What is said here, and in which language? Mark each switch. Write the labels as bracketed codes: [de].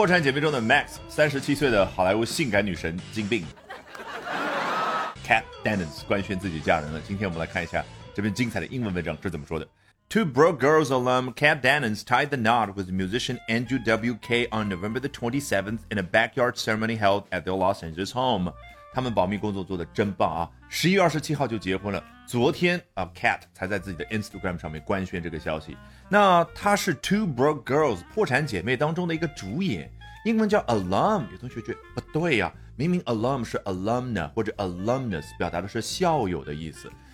[zh] 破产姐妹中的 Max， 37岁的好莱坞性感女神金病Kat Dennings 官宣自己嫁人了。今天我们来看一下这篇精彩的英文文章是怎么说的。 [en] Two Broke Girls alum Kat Dennings tied the knot with musician Andrew WK on November the 27th in a backyard ceremony held at their Los Angeles home. [zh] 他们保密工作做得真棒啊。11月27号就结婚了。昨天啊 ,Kat 才在自己的 Instagram 上面官宣这个消息。那她是 Two Broke Girls, 破产姐妹当中的一个主演。英文叫 alum, 有同学觉得不对啊。明明 alum 是 alumna 或者 alumnus, 表达的是校友的意思。